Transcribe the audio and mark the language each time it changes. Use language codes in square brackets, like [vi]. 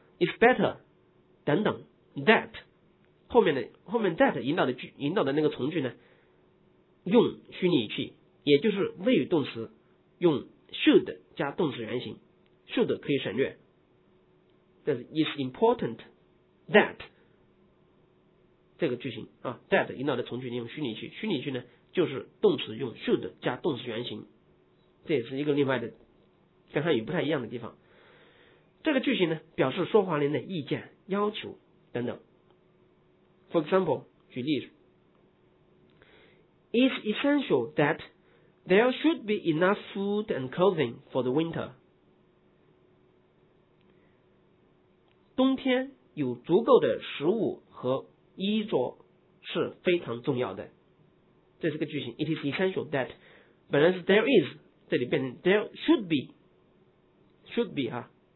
[en] It's better [zh] 等等 ，that 后面 that 引导的那个从句呢，用虚拟语气，也就是谓语动词，用 should 加动词原形 ，should 可以省略，但是 [en] is important that [zh] 这个句型啊 ，that 引导的从句用虚拟语气，虚拟语气呢就是动词用 should 加动词原形，这也是一个另外的跟汉语不太一样的地方。这个句型呢表示说话人的意见。要求等等。 [en] For example， [zh] 举例 [en] ，It's essential that there should be enough food and clothing for the winter。 [zh] 冬天有足够的食物和衣着是非常重要的。这是个句型 ， [en] It is essential that， [zh] 本来是 there is， 这里变成 [en] there should be [zh] 哈。